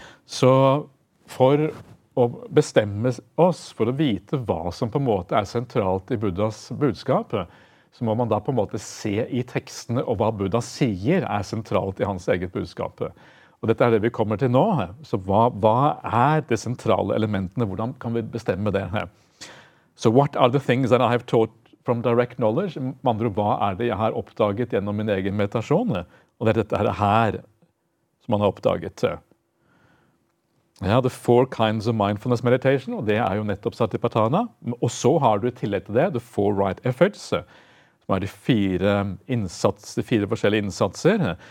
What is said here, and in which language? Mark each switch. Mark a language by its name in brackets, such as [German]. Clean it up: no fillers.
[Norwegian] Så for å bestemme oss, for å vite hva som på en måte er sentralt i Buddhas budskap, så må man da på en måte se i tekstene og hva Buddha sier er sentralt i hans eget budskap. Og dette er det vi kommer til nå. Så hva er de sentrale elementene? Hvordan kan vi bestemme det? [English] So what are the things that I have taught from direct knowledge? [Norwegian] Med andre ord, hva er det jeg har oppdaget gjennom min egen meditasjon? Og det er dette her som man har oppdaget. Ja, [English] the four kinds of mindfulness meditation, [Norwegian] og det er jo nettopp Satipatthana. Og så har du i tillegg til det, [English] the four right efforts, [Norwegian] som er de fire forskjellige innsatser.